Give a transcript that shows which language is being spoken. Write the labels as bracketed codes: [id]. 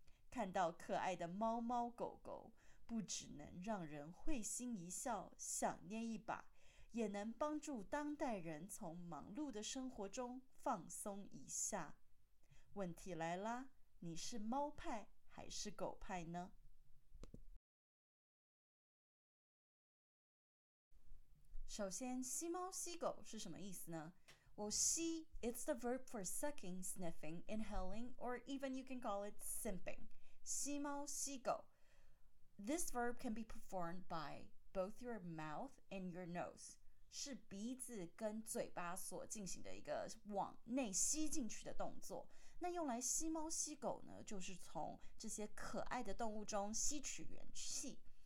[zh] 看到可爱的猫猫狗狗不只能让人会心一笑想念一把，也能帮助当代人从忙碌的生活中放松一下。问题来啦，你是猫派还是狗派呢？首先,吸猫吸狗是什么意思呢? [en] Well, 吸, it's the verb for sucking, sniffing, inhaling, or even you can call it simping. [zh] 吸猫吸狗. [en] This verb can be performed by both your mouth and your nose. [zh] 是鼻子跟嘴巴所进行的一个往内吸进去的动作。那用来吸猫吸狗呢, 就是从这些可爱的动物中吸取元气。